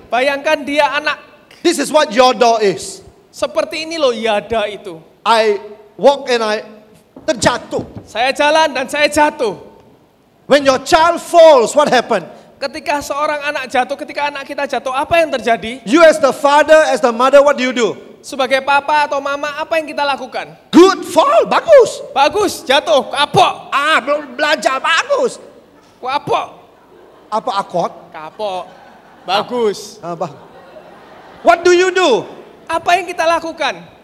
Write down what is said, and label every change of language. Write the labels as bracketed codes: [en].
[id] Bayangkan dia anak. [en] This is what yada is. [id] Seperti ini loh yada itu. [en] I walk and I [id] terjatuh. Saya jalan dan saya jatuh. [en] When your child falls, what happened? [id] Ketika seorang anak jatuh, ketika anak kita jatuh, apa yang terjadi? [en] You as the father, as the mother, what do you do? [id] Sebagai papa atau mama, apa yang kita lakukan? [en] Good, fall, [id] bagus. Bagus, jatuh, kapok. Ah, belum belajar, bagus. Kapok. Apa akot? Kapok. Bagus. [en] What do you do? [id] Apa yang kita lakukan?